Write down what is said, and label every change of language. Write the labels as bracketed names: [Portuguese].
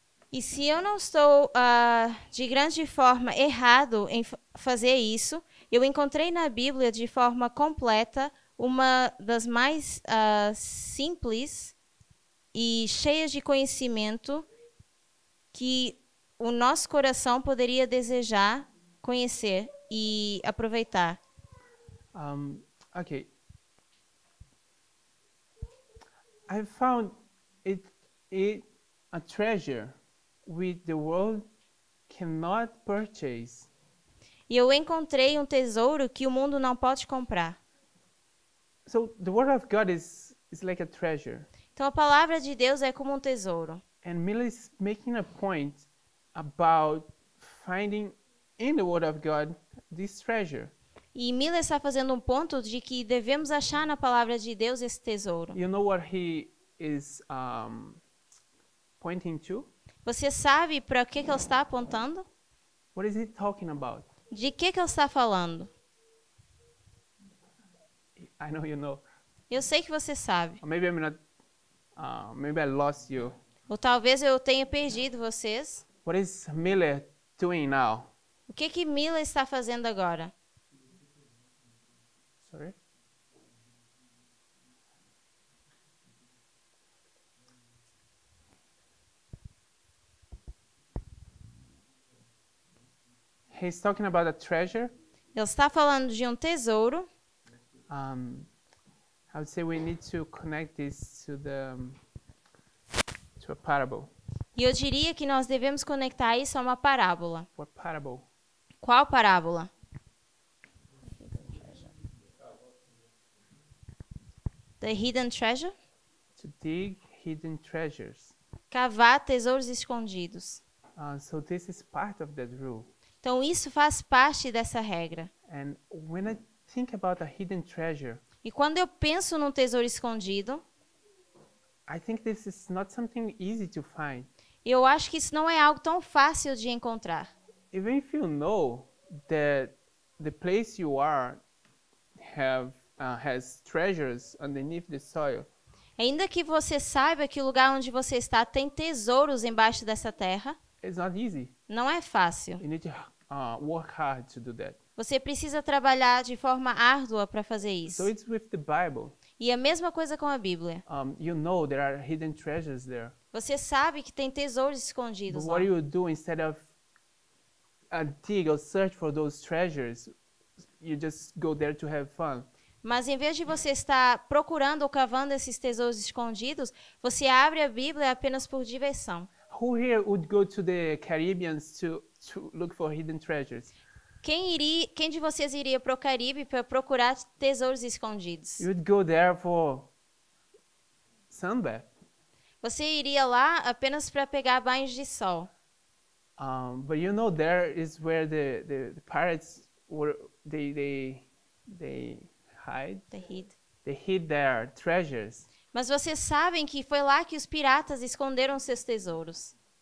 [Portuguese] E se eu não estou de grande forma errado em fazer isso, eu encontrei na Bíblia de forma completa uma das mais simples e cheias de conhecimento que o nosso coração poderia desejar conhecer e aproveitar. Ok. [English] I found it a treasure which the world cannot purchase. [Portuguese] E eu encontrei um tesouro que o mundo não pode comprar. [English] So the word of God is like a treasure. [Portuguese] Então a palavra de Deus é como um tesouro. [English] And Millie's making a point about finding in the word of God this treasure. [Portuguese] E Miller está fazendo um ponto de que devemos achar na palavra de Deus esse tesouro. [English] You know what he is pointing to? [Portuguese] Você sabe para o que ele está apontando? [English] What is he talking about? [Portuguese] De que ele está falando? [English] I know you know. [Portuguese] Eu sei que você sabe. [English] Or maybe I'm not, maybe I lost you. [Portuguese] Ou talvez eu tenha perdido vocês. [English] What is Miller doing now? [Portuguese] O que que Miller está fazendo agora? [English] He's talking about a treasure. [Portuguese] Ele está falando de um tesouro. [English] I would say we need to connect this to the to a parable. [Portuguese] E eu diria que nós devemos conectar isso a uma parábola. [English] What parable? [Portuguese] Qual parábola? [English] The hidden treasure? To dig hidden treasures. [Portuguese] Cavar tesouros escondidos. [English] So this is part of that rule. [Portuguese] Então isso faz parte dessa regra. [English] And when I think about a hidden treasure, [Portuguese] e quando eu penso num tesouro escondido, [English] I think this is not something easy to find. [Portuguese] Eu acho que isso não é algo tão fácil de encontrar. [English] Even if you know that the place you are have has treasures underneath the soil. [Portuguese] Ainda que você saiba que o lugar onde você está tem tesouros embaixo dessa terra, [English] it's not easy. [Portuguese] Não é fácil. [English] You need to work hard to do that. [Portuguese] Você precisa trabalhar de forma árdua para fazer isso. [English] So it's with the Bible. [Portuguese] E a mesma coisa com a Bíblia. [English] You know there are hidden treasures there. [Portuguese] Você sabe que tem tesouros escondidos lá. [English] What you do instead of dig or search for those treasures, you just go there to have fun. [Portuguese] Mas em vez de você estar procurando ou cavando esses tesouros escondidos, você abre a Bíblia apenas por diversão. [English] Who here would go to the Caribbean to look for hidden treasures? [Portuguese] Quem de vocês iria para o Caribe para procurar tesouros escondidos? [English] You would go there for sunbath. [Portuguese] Você iria lá apenas para pegar banhos de sol. [English] But you know there is where the pirates were, they hide. They hid their treasures. [Portuguese] Mas vocês sabem que foi lá que os piratas esconderam seus tesouros.